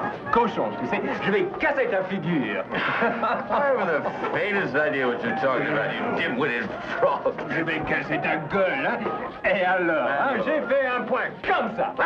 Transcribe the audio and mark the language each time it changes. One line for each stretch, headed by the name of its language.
French: Cochon, tu sais, je vais casser ta figure.
English: I have the faintest idea what you're talking about, you dim-witted frog.
French: Je vais casser ta gueule, hein? Et alors, hein, j'ai fait un point comme ça.